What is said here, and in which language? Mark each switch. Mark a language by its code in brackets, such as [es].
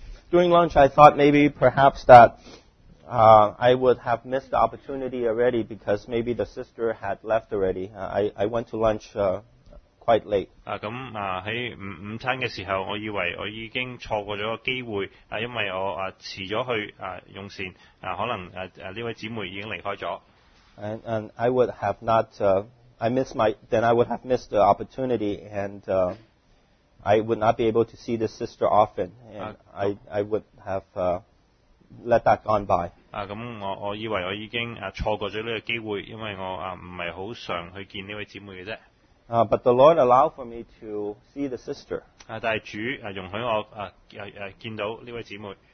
[en] During lunch, I thought maybe perhaps that I would have missed the opportunity already because maybe the sister had left already. I went to lunch. Quite late. [yue] 咁喺午餐嘅時候，我以為我已經錯過咗個機會，因為我遲咗去用膳，可能呢位姊妹已經離開咗。 [en] And I would have not, I missed my, then I would have missed the opportunity, and I would not be able to see this sister often, and I would have let that gone by. [yue] 咁我以為我已經錯過咗呢個機會，因為我唔係好常去見呢位姊妹嘅啫。 [en] But the Lord allowed for me to see the sister. [yue] 但是主容許我見到呢位姊妹。